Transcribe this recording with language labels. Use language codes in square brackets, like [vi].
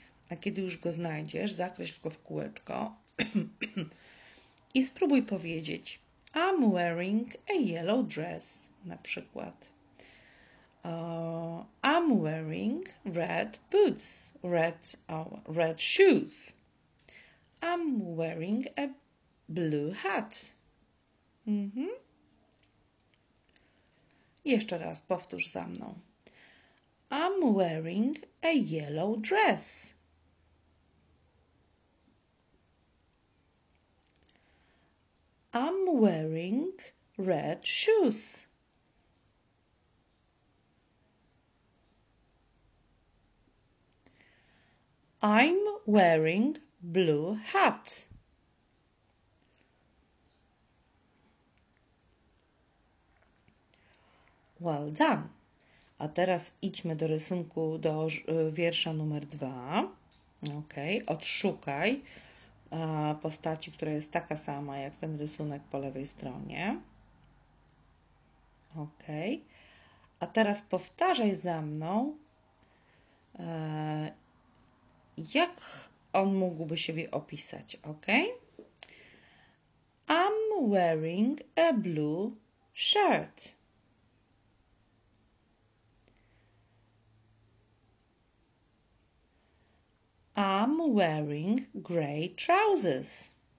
[pl] A kiedy już go znajdziesz, zakreśl go w kółeczko i spróbuj powiedzieć. [en] I'm wearing a yellow dress, [pl] na przykład. [en] I'm wearing red boots, red shoes. I'm wearing a blue hat. [pl] Jeszcze raz powtórz za mną. [en] I'm wearing a yellow dress. I'm wearing red shoes. I'm wearing blue hat. Well done. [pl] A teraz idźmy do rysunku, do wiersza numer 2. Ok, odszukaj postaci, która jest taka sama jak ten rysunek po lewej stronie. Ok, a teraz powtarzaj za mną, jak on mógłby siebie opisać. [en] Ok, I'm wearing a blue shirt. I'm wearing grey trousers.